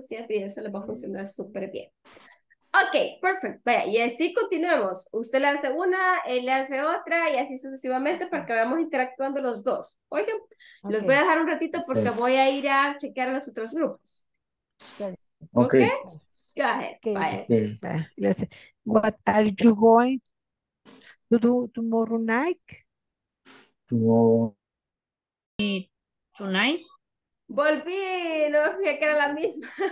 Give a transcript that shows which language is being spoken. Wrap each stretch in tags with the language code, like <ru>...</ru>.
<es>Si es bien, eso le va a funcionar súper bien. Ok, perfecto. Vaya, y así continuemos. Usted le hace una, él le hace otra y así sucesivamente para que vayamos interactuando los dos. Oigan, okay. Los voy a dejar un ratito porque voy a ir a chequear a los otros grupos. Ok.</es> <en>Go ahead. Okay. Vaya. Okay. What are you going to do tomorrow night? Tomorrow. Tonight.</en> <es>Volví, no me fijé que era la misma.</es>